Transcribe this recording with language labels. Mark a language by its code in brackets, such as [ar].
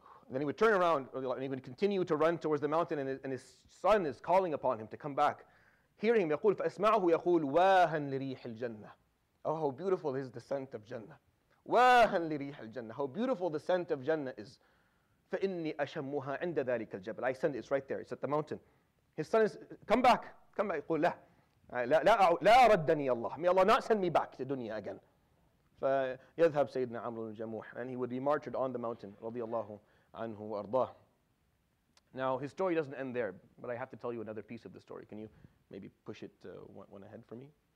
[en] Then he would turn around and he would continue to run towards the mountain, and his son is calling upon him to come back. Hearing him, [ar] يقول فأسمعه يقول واهن لريح الجنة. [en] Oh, how beautiful is the scent of Jannah. [ar] واهن لريح الجنة. [en] How beautiful the scent of Jannah is. [ar] فإني أشمها عند ذلك الجبل. [en] I send it, it's right there, it's at the mountain. His son is, come back. [ar] يقول لا. لا ردني الله. [en] May Allah not send me back to dunya again. [ar] فَيَذْهَبْ سَيِّدْنَا عَمْرُ الْجَمُوحِ. [en] And he would be martyred on the mountain, [ar] رضي الله عنه وأرضاه. [en] Now, his story doesn't end there, but I have to tell you another piece of the story. Can you maybe push it one ahead for me?